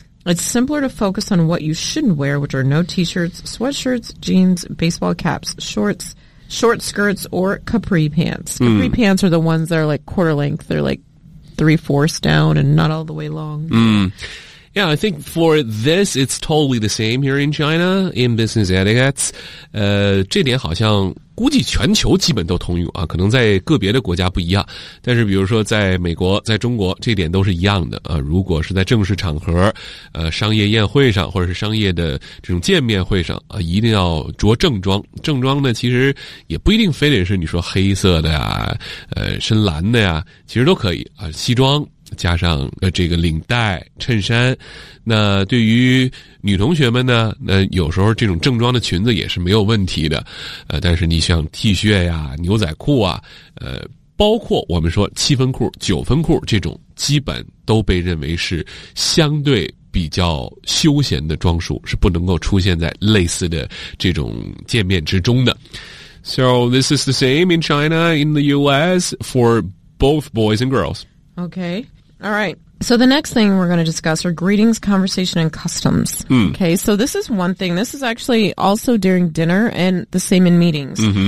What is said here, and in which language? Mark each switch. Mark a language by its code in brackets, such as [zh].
[en] It's simpler to focus on what you shouldn't wear, which are no t-shirts, sweatshirts, jeans, baseball caps, shorts, short skirts, or capri pants. Capri pants are the ones that are like quarter length. They're like three-fourths down and not all the way long. Yeah, I think for this, it's totally the same here in China, in business etiquettes. [zh] 这点好像估计全球基本都通用啊，可能在个别的国家不一样。但是比如说在美国、在中国，这点都是一样的啊。如果是在正式场合，商业宴会上或者是商业的这种见面会上啊，一定要着正装。正装呢，其实也不一定非得是你说黑色的呀，深蓝的呀，其实都可以啊，西装。加上这个领带衬衫，那对于女同学们呢，那有时候这种正装的裙子也是没有问题的，但是你像 T 恤呀、牛仔裤啊，包括我们说七分裤、九分裤这种，基本都被认为是相对比较休闲的装束，是不能够出现在类似的这种见面之中的。 [en] So this is the same in China, in the U.S. for both boys and girls. Okay. All right. So the next thing we're going to discuss are greetings, conversation, and customs. Okay. So this is one thing. This is actually also during dinner and the same in meetings.